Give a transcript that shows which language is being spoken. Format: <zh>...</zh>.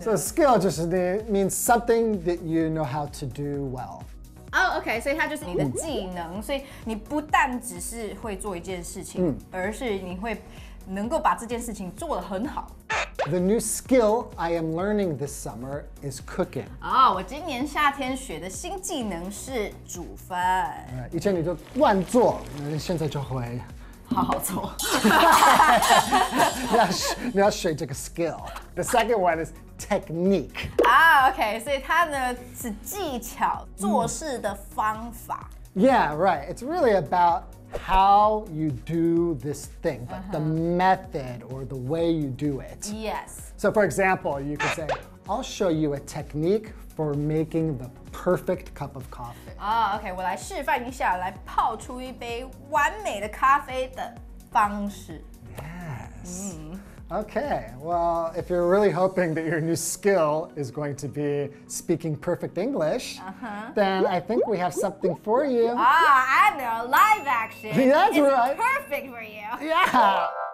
<en>？So skill 就是 means something that you know how to do well.</en> <zh>哦、oh, ，OK， 所以它就是你的技能，所以你不但只是会做一件事情，而是你会能够把这件事情做得很好。</zh> <en>The new skill I am learning this summer is cooking.</en> <zh>哦、oh, ，我今年夏天学的新技能是煮饭。以前你就乱做，现在就会好好做。你要学这个 skill。</zh> <en>The second one is. Technique. Ah, okay. So it's a</en> <zh>是技巧做事的方法</zh> <en>Yeah, right. It's really about how you do this thing, but the method or the way you do it. Yes. So for example, you could say, I'll show you a technique for making the perfect cup of coffee. Ah, okay.</en> <zh>我来示范一下来泡出一杯完美的咖啡的方式</zh> <en>Yes. Okay, well, if you're really hoping that your new skill is going to be speaking perfect English, then I think we have something for you. Ah, I know, live action. That's right. It's perfect for you. Yeah.</en>